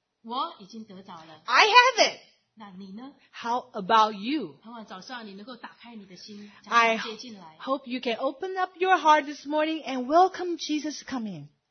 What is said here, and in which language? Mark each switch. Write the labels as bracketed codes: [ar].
[zh] 我已经得着了。 [en] I have it. [zh] 那你呢？ [en] How about you? [zh] 盼望早上你能够打开你的心， [en] I hope you can open up your heart this morning and welcome Jesus to come in.